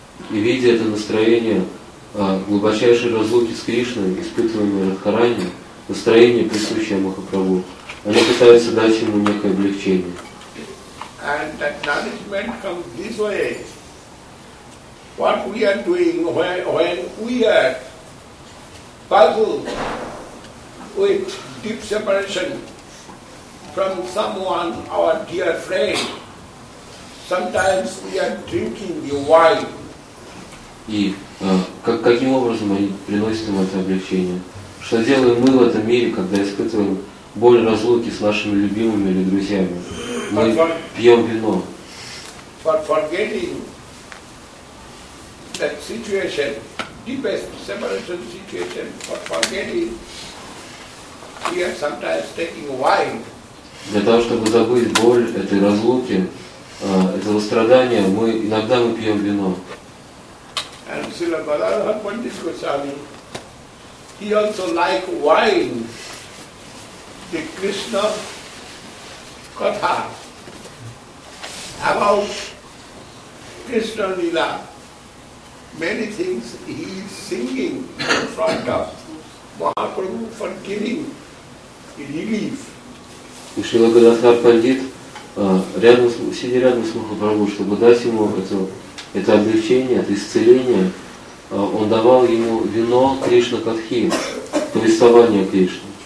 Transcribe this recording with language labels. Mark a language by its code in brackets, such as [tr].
[ru] И видя это настроение глубочайшей разлуки с Кришной, испытываемой Радхарани, настроение, присущее Махапрабху, оно пытается дать ему некое облегчение. [en] And that nourishment comes this way. What we are doing when we are puzzled with deep separation from someone, our dear friend, sometimes we are drinking the wine. [ru] И каким образом они приносят им это облегчение? Что делаем мы в этом мире, когда испытываем боль разлуки с нашими любимыми или друзьями? Мы пьем вино. [en] For forgetting that situation, deepest separation situation, for forgetting, we are sometimes taking wine. [ru] Для того, чтобы забыть боль этой разлуки, этого страдания, мы иногда мы пьем вино. [en] And Srila Balarama Pandit Goswami, he also like wine, the Krishna katha, about Krishna lila, many things he is singing in front of Mahaprabhu for giving relief. [ru] И Srila Balarama Pandit, сидя рядом с Махапрабху, чтобы дать ему это облегчение, это исцеление, он давал ему вино Кришна Катхи, повествование Кришны.